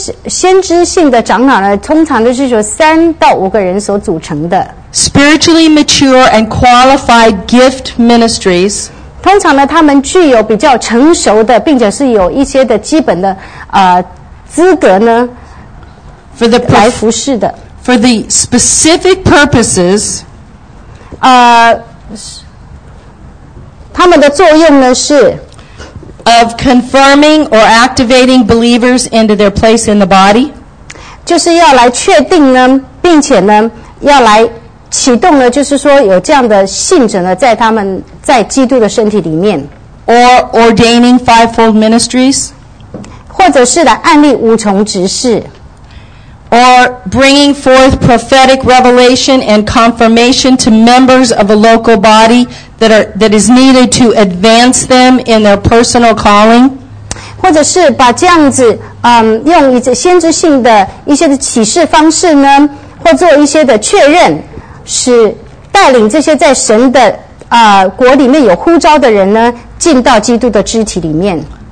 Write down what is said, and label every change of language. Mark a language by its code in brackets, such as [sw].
[zh] 先知性的长老呢，通常都是由3到5个人所组成的。 [en] Spiritually mature and qualified gift ministries. [zh] 通常呢，他们具有比较成熟的，并且是有一些的基本的资格呢。 [en] For the [zh] 来服侍的。 [en] For the specific purposes. [zh] 他们的作用呢是。 [en] Of confirming or activating believers into their place in the body. [zh] 就是要来确定呢，并且呢，要来启动呢，就是说有这样的信者呢，在他们在基督的身体里面。 [en] Or ordaining fivefold ministries. [zh] 或者是来按立五重执事。 [en] Or bringing forth prophetic revelation and confirmation to members of a local body that is needed to advance them in their personal calling. [zh] 或者是把这样子，用一些先知性的一些的启示方式呢，或做一些的确认，使带领这些在神的国里面有呼召的人呢，进到基督的肢体里面。